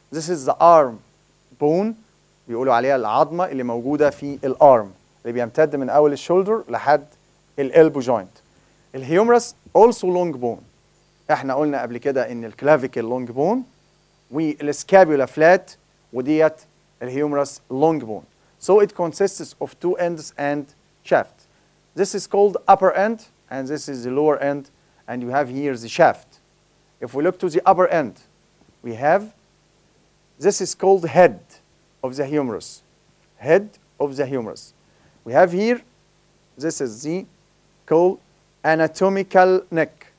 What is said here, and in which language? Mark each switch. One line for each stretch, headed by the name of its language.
English: This is the arm bone،
Arabic: بيقولوا عليها العظمة اللي موجودة في الارم اللي بيمتد من أول الشولدر لحد الالبو جوينت.
English: الهيومرس also long bone.
Arabic: احنا قلنا قبل كده ان الكلافيكل long bone والسكابولا فلات، وديت الهيومرس long bone.
English: So it consists of two ends and shaft. This is called upper end and this is the lower end, and you have here the shaft. If we look to the upper end, we have, this is called head of the humerus. Head of the humerus. We have here, this is the called anatomical neck.